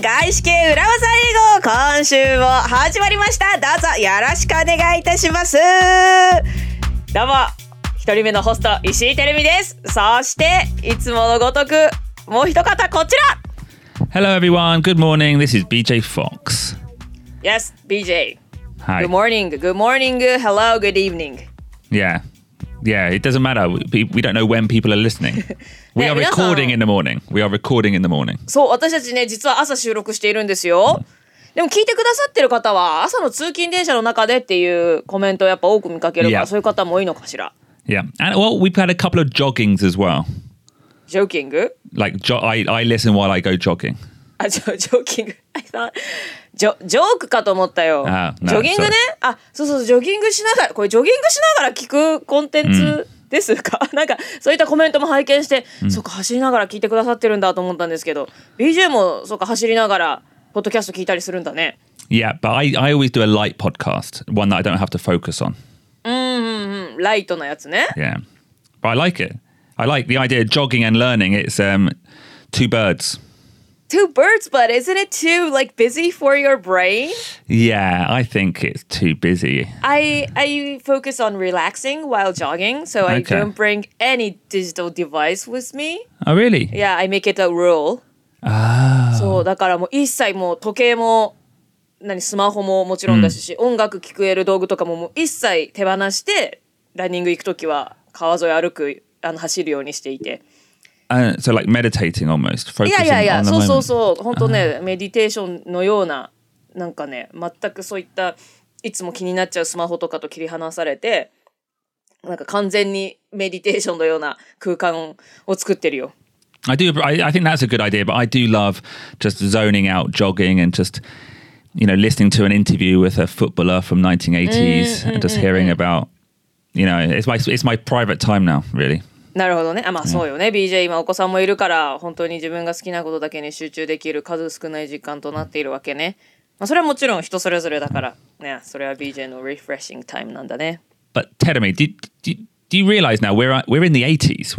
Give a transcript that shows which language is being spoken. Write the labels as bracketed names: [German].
[Japanese] 外資系裏技英語今週も始まりました。どうぞよろしくお願いいたします。どうも、一人目のホスト石井てるみです。そしていつものごとくもう一方こちら。 [English] Hello everyone, good morning, this is BJ Fox. Yes, BJ、Hi. Good morning, good morning, hello, good evening. Yeah, it doesn't matter. We don't know when people are listening. We are recording in the morning. We are recording in the morning. [Japanese] そう、私たちね、実は朝収録しているんですよ。でも聞いてくださってる方は朝の通勤電車の中でっていうコメントをやっぱ多く見かけるから、 [English] yeah. [Japanese] そういう方も多いのかしら。 [English] Yeah. And, well, we've had a couple of joggings as well. Joking? Like, I listen while I go jogging. Joking? I thought... [Japanese] ジョークかと思ったよ。 [English] Oh, no, [Japanese] ジョギングね。 [English] Sorry. [Japanese] あ、そうそう、ジョギングしながら、これジョギングしながら聞くコンテンツですか、mm. なんか、そういったコメントも拝見して、mm. そうか、走りながら聞いてくださってるんだと思ったんですけど、BJ もそうか、走りながら、ポッドキャスト聞いたりするんだね。 [English] Yeah, but I always do a light podcast, one that I don't have to focus on. [Japanese] ライトなやつね。 [English] Yeah. But I like it. I like the idea of jogging and learning. It's two birds. Two birds, but isn't it too like busy for your brain? Yeah, I think it's too busy. I focus on relaxing while jogging, so I don't bring any digital device with me. Oh, really? Yeah, I make it a rule. Ah. [Japanese] そうだからもう一切もう時計も何スマホももちろんだし、音楽聞くやる道具とかももう一切手放してランニング行くときは川沿い歩く走るようにしていて。 [English] So like meditating almost, focusing on the moment. Yeah, yeah, [Japanese] yeah. そうそうそう。本当ね、メディテーションのようななんかね、全くそういったいつも気になっちゃうスマホとかと切り離されて、なんか完全にメディテーションのような空間を作ってるよ。 [English] I do. I think that's a good idea. But I do love just zoning out, jogging, and just you know listening to an interview with a footballer from 1980s and just hearing about you know it's my private time now, really. [Japanese] なるほどね。あ、まあそうよね。 BJ 今お子さんもいるから本当に自分が好きなことだけに集中できる数少ない時間となっているわけね。まあそれはもちろん人それぞれだからね。それは BJ のリフレッシングタイムなんだね。 [English] But tell me, do you realize now we're in the 80s?